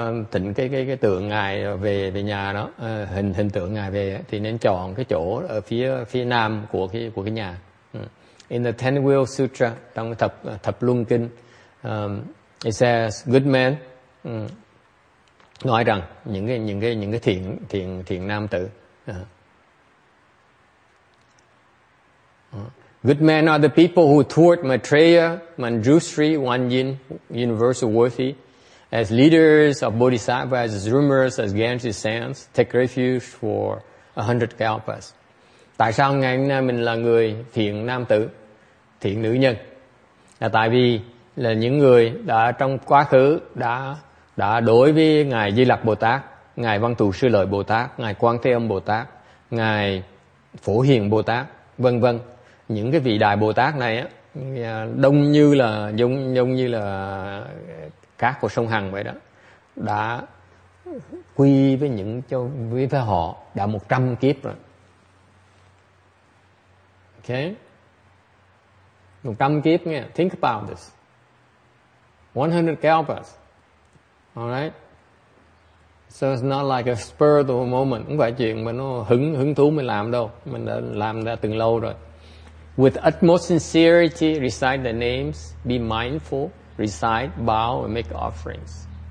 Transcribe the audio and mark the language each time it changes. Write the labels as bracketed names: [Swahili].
[Vietnamese] Thỉnh cái tượng ngài về nhà đó, hình tượng ngài về thì nên chọn cái chỗ ở phía nam của cái nhà. [English] In the Ten Wheel Sutra, [Vietnamese] trong thập luân kinh, [English] it says good man, [Vietnamese] nói rằng những cái thiện nam tử. [English] Good men are the people who toured Maitreya, Manjushri, Wanyin, universal worthy, as leaders of bodhisattvas, as rumors, as Ganges sands, take refuge for 100 kalpas. [Vietnamese] Tại sao ngày hôm nay mình là người thiện nam tử, thiện nữ nhân? Là tại vì là những người đã trong quá khứ đã đối với ngài Di Lặc Bồ Tát, ngài Văn Thù Sư Lợi Bồ Tát, ngài Quan Thế Âm Bồ Tát, ngài Phổ Hiền Bồ Tát, vân vân. Những cái vị đại Bồ Tát này á, đông như là cát của sông Hằng vậy đó, đã quy với những cho với họ đã 100 kiếp rồi. Okay. 100 kiếp nghe, [English] think about this. 100 kalpas. All right. So it's not like a spur of the moment. [Vietnamese] Không phải chuyện mà nó hứng thú mới làm đâu. Mình đã làm ra từng lâu rồi. [English] With utmost sincerity, recite the names. Be mindful, recite, bow, and make offerings.